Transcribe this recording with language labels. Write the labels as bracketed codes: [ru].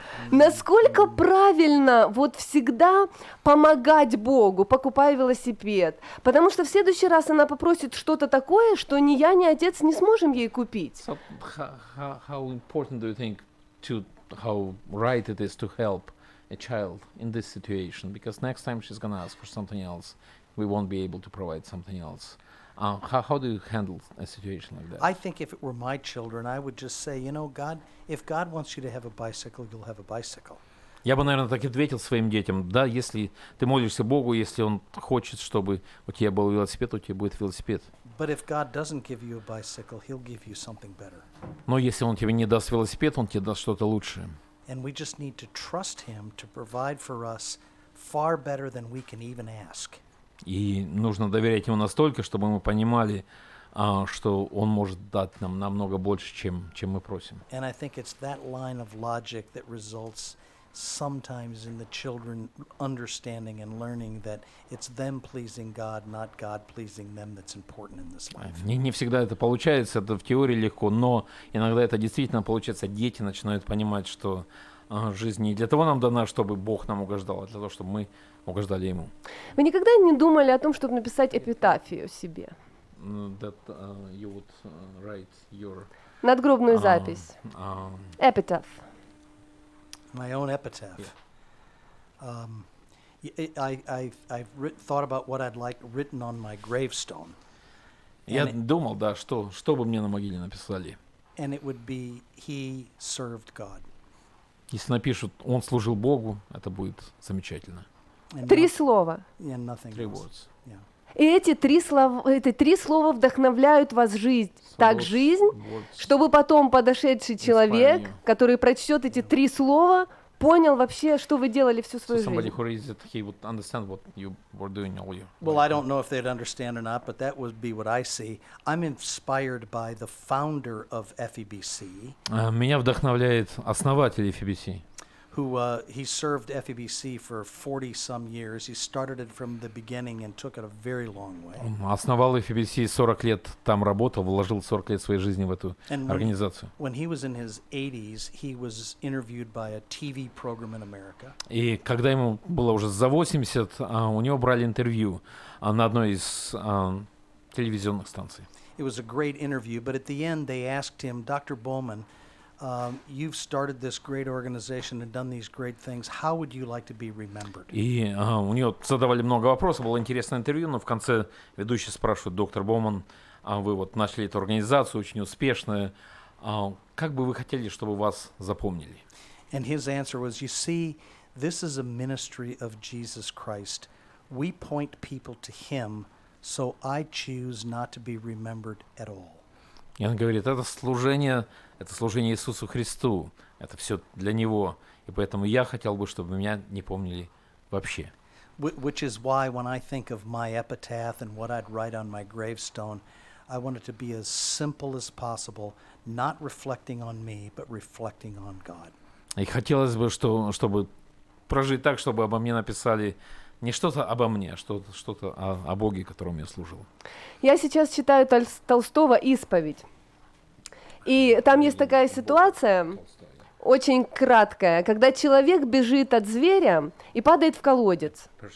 [ru] Насколько правильно вот всегда помогать Богу, покупая велосипед? Потому что в следующий раз она попросит что-то такое, что ни я, ни отец не сможем ей купить. [en] So, how important do you think to how right it is to help a child in this situation? Because next time she's gonna ask for something else. We won't be able to provide something else. How do you handle a situation like that? I think if it were my children, I would just say, you know, God, if God wants you to have a bicycle, you'll have a bicycle. [ru] Я бы, наверное, так и ответил своим детям: да, если ты молишься Богу, если Он хочет, чтобы у тебя был велосипед, у тебя будет велосипед. [en] But if God doesn't give you a bicycle, He'll give you something better. [ru] Но если Он тебе не даст велосипед, Он тебе даст что-то лучшее. [en] And we just need to trust Him to provide for us far better than we can even ask. [ru] И нужно доверять ему настолько, чтобы мы понимали, что он может дать нам намного больше, чем мы просим. [en] And I think it's that line of logic that results sometimes in the children understanding and learning that it's them pleasing God, not God pleasing them, that's important in this life. [ru] Не всегда это получается, это в теории легко, но иногда это действительно получается. Дети начинают понимать, что жизнь не для того нам дана, чтобы Бог нам угождал, а для того, чтобы мы угождали Ему. Вы никогда не думали о том, чтобы написать эпитафию себе? [en] That you would write your [ru] надгробную запись. Эпитаф. [en] My own epitaph. I've thought about what I'd like written on my gravestone. [ru] Я думал, да, что бы мне на могиле написали. [en] And it would be he served God. [ru] Если напишут, он служил Богу, это будет замечательно. Три слова. [en] And nothing else. Three words. [ru] И эти три слова вдохновляют вас жить так жизнь, чтобы потом подошедший человек, который прочтет эти три слова, понял вообще, что вы делали всю свою жизнь. [en] Somebody who reads it, he would understand what you were doing all your. Well, I don't know if they'd understand or not, but that would be what I see. I'm inspired by the founder of FEBC. [ru] Меня вдохновляет основатель FEBC. [en] Who he served FEBC for 40 some years. He started it from the beginning and took it a very long way. [ru] Он основал FEBC, 40 лет там работал, вложил 40 лет своей жизни в эту организацию. [en] When he was in his 80s, he was interviewed by a TV program in America. [ru] И когда ему было уже за 80, у него брали интервью на одной из телевизионных станций. [en] It was a great interview, but at the end they asked him, Dr. Bowman, you've started this great organization and done these great things. How would you like to be remembered? [ru] И у него задавали много вопросов, было интересное интервью, но в конце ведущий спрашивает: доктор Боуман, вы вот начали эту организацию очень успешную, как бы вы хотели, чтобы вас запомнили? [en] And his answer was, you see, this is a ministry of Jesus Christ. We point people to him, so I choose not to be remembered at all. [ru] И он говорит, это служение Иисусу Христу, это все для Него, и поэтому я хотел бы, чтобы меня не помнили вообще. [en] Which is why when I think of my epitaph and what I'd write on my gravestone, I want it to be as simple as possible, not reflecting on me, but reflecting on God. [ru] И хотелось бы, чтобы прожить так, чтобы обо мне написали не что-то обо мне, а что-то о Боге, которому я служил. Я сейчас читаю Толстого «Исповедь». И там есть такая ситуация, очень краткая, когда человек бежит от зверя и падает в колодец.